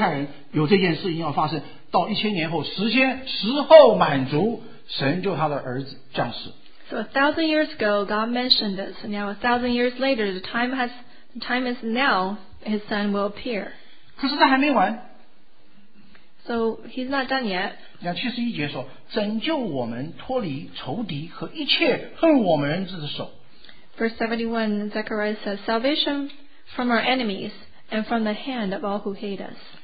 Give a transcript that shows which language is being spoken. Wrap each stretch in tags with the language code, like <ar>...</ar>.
<zh>神在1000年前答应过犹太人有这件事情要发生, 到1000年后时间时候满足神就他的儿子降世。</zh> <en>So 1,000 years ago, God mentioned this. Now 1,000 years later, the time is now, his son will appear.</en> <zh>可是他还没完。</zh> <en>So he's not done yet.</en> <zh>71节说, 拯救我们脱离仇敌和一切恨我们之手。</zh> <en>Verse 71, Zechariah says, salvation from our enemies and from the hand of all who hate us.</en>